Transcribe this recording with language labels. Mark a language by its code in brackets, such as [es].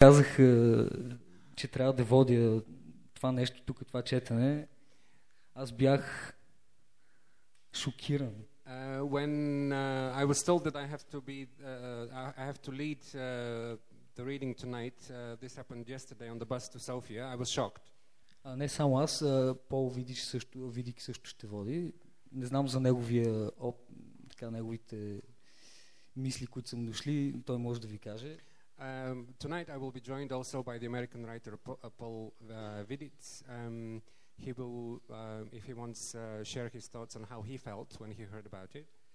[bg] казах, че трябва да водя това нещо тук, това четене, аз бях шокиран. [en] When I was told that I have to be I have to lead the reading tonight, this happened yesterday on the bus to Sofia, I was shocked. [bg] Не само аз, Пол Видик също ще води. Не знам за неговия неговите мисли, които са му дошли, той може да ви каже. [en] Tonight I will be joined also by the American writer Paul Viditz. He will, if he wants, share his thoughts on how he felt when he heard about it.